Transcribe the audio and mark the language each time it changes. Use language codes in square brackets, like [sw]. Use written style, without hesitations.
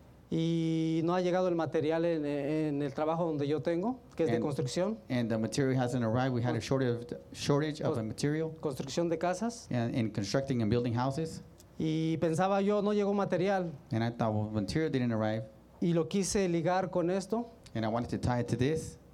[es] Y no ha llegado el material en el trabajo donde yo tengo, que es de construcción. [en] And the material hasn't arrived. We had a shortage of the material. [es] Construcción de casas. [en] In constructing and building houses. [es] Y pensaba yo, no llegó material. [en] And I thought, well, material didn't arrive. [es] Y lo quise ligar con esto. [en] And I wanted to tie it to this.